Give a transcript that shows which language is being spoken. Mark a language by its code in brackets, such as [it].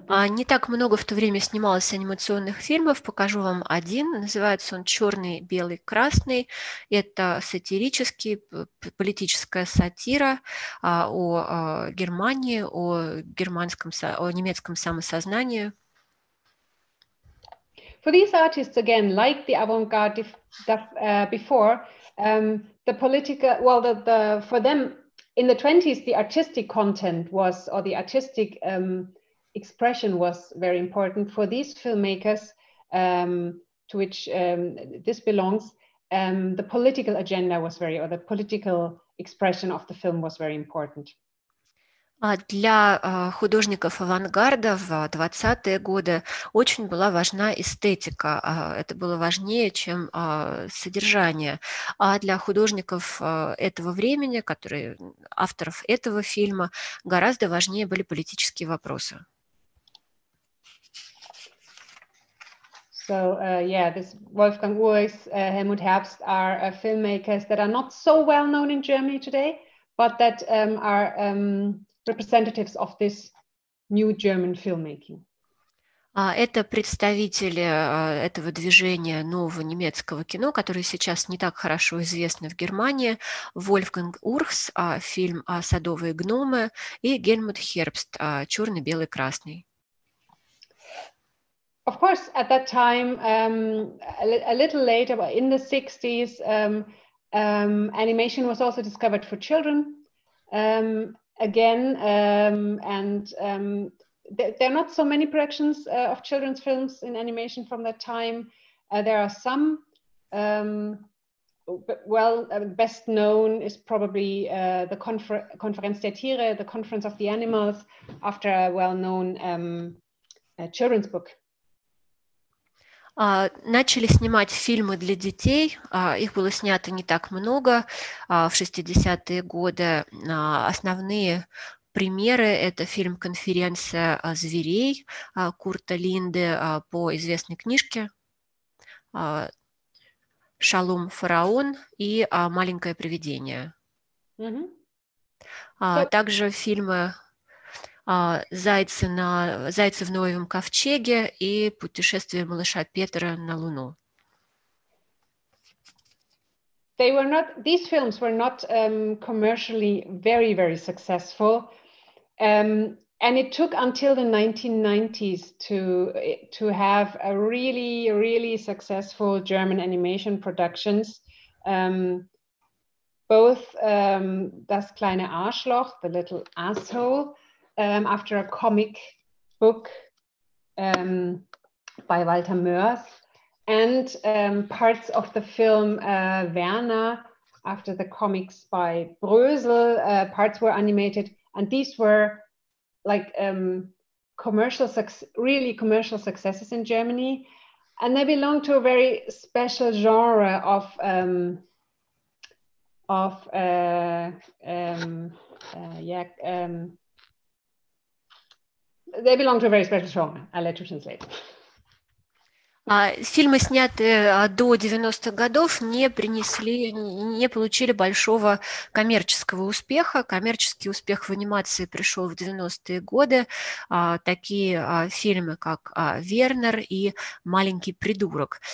[ru] Не так много в то время снималось анимационных фильмов. Покажу вам один. Называется он «Черный, белый, красный». Это сатирический, политическая сатира о Германии, о германском, о немецком самосознании. [en] For these artists, again, like the avant-garde before, the political, well, the for them. In the 20s, the artistic content was, or the artistic expression was very important for these filmmakers to which this belongs. The political agenda was very, or the political expression of the film was very important. [ru] Для художников авангарда в 20-е годы очень была важна эстетика. Это было важнее, чем содержание. А для художников этого времени, которые авторов этого фильма, гораздо важнее были политические вопросы. [en] So, yeah, this Wolfgang Uhlis, Helmut Herbst are filmmakers that are not so well known in Germany today, but that are representatives of this new German filmmaking. [ru] Это представители этого движения нового немецкого кино, которое сейчас не так хорошо известно в Германии. Вольфганг Урхс, фильм «Садовые гномы», и Гельмут Хербст, «Черный, белый, красный». [en] Of course, at that time, a little later, in the 60s, animation was also discovered for children. Again, there are not so many productions of children's films in animation from that time. There are some. Best known is probably the Konferenz der Tiere, the Conference of the Animals, after a well-known children's book. [ru] Начали снимать фильмы для детей, их было снято не так много в 60-е годы. Основные примеры – это фильм «Конференция зверей» Курта Линде по известной книжке «Шалом, фараон» и «Маленькое привидение». Также фильмы «Зайцы в Ноевом ковчеге» и «Путешествие малыша Петера на Луну». [en] They were not, these films were not commercially very, very successful. And it took until the 1990s to have a really, really successful German animation productions. Both Das kleine Arschloch, The Little Asshole, after a comic book by Walter Mörs, and parts of the film Werner, after the comics by Brösel, parts were animated, and these were like commercial successes in Germany, and they belong to a very special genre they belong to a very special genre. I'll let you translate. [ru] Фильмы, снятые до 90-х годов, не получили большого коммерческого успеха. Коммерческий успех в анимации пришел в 90-е годы. Такие фильмы, как «Вернер» и «Маленький придурок».